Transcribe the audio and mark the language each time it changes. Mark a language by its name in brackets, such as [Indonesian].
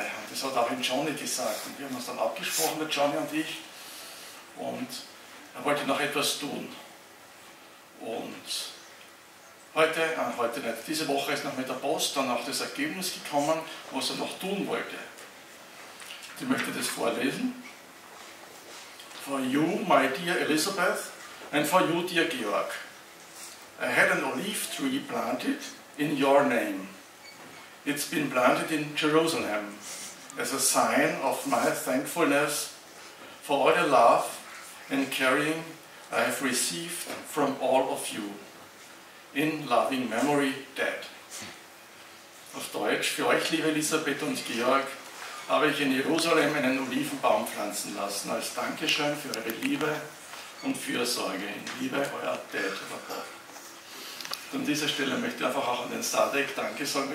[German] Und das hat auch ein Johnny gesagt und wir haben uns dann abgesprochen, der Johnny und ich, und er wollte noch etwas tun. Und heute, heute nicht, diese Woche ist noch mit der Post dann auch das Ergebnis gekommen, was er noch tun wollte. Ich möchte das vorlesen. [English] For you, my dear Elizabeth, and for you, dear Georg, I had an olive tree planted in your name. It's been planted in Jerusalem as a sign of my thankfulness for all the love and caring I have received from all of you, in loving memory, Dad. [German] Auf Deutsch, für euch, liebe Elisabeth und Georg, habe ich in Jerusalem einen Olivenbaum pflanzen lassen, als Dankeschön für eure Liebe und Fürsorge. In Liebe, euer Dad. Und an dieser Stelle möchte ich einfach auch an den Sadek Danke sagen.